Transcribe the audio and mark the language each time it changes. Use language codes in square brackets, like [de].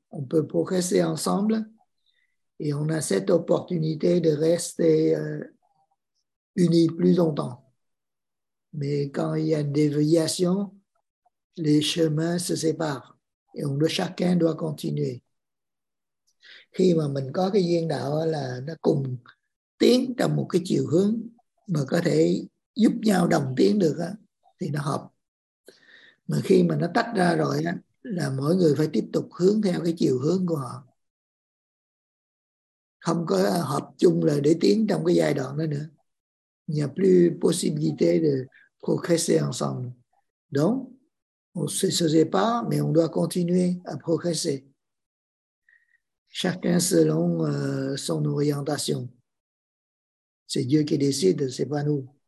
[fr] On peut progresser ensemble. Et on a cette opportunité de rester unis plus longtemps. Mais quand il y a une déviation, les chemins se séparent. Et chacun doit continuer. [vi] Khi mà mình có cái duyên đạo là nó cùng tiến trong một cái chiều hướng mà có thể giúp nhau đồng tiến được á, thì nó hợp. Mà khi mà nó tách ra rồi á, là mỗi người phải tiếp tục hướng theo cái chiều hướng của họ. Không có hợp chung là để tiến trong cái giai đoạn đó nữa. [fr] Il n'y a plus possibilité de progresser ensemble. Donc, on se sépare, mais on doit continuer à progresser. Chacun selon son orientation. C'est Dieu qui décide, c'est pas nous.